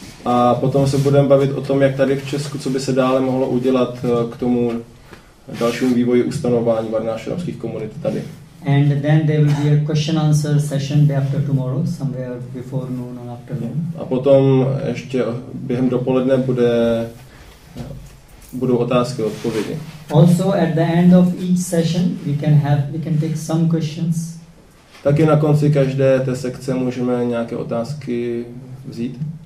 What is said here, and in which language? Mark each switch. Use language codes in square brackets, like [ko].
[cs] A potom se budeme bavit o tom, jak tady v Česku, co by se dále mohlo udělat k tomu dalšímu vývoji ustanovování varnášramských komunit tady. [en] And then there will be a question answer session day after tomorrow, somewhere before noon or afternoon. [cs] A potom ještě během dopoledne budou otázky a odpovědi. [en] Also at the end of each session we can take some questions. [cs] Taky na konci každé té sekce můžeme nějaké otázky vzít.